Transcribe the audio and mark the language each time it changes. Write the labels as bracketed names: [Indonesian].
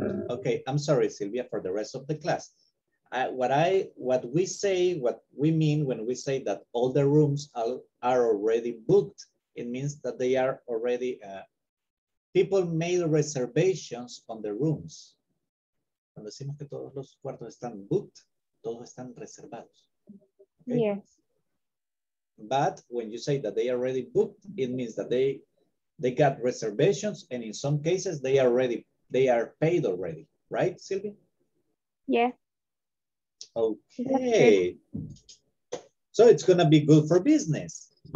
[English] Okay, I'm sorry, Silvia, for the rest of the class. What we mean when we say that all the rooms are already booked, it means that they are already, people made reservations on the rooms. [Spanish] Cuando decimos que todos los cuartos están booked, todos están reservados. [English] Okay? Yes. But when you say that they are already booked, it means that they got reservations, and in some cases they are paid already, right, Sylvie? Yeah. Okay. So it's gonna be good for business.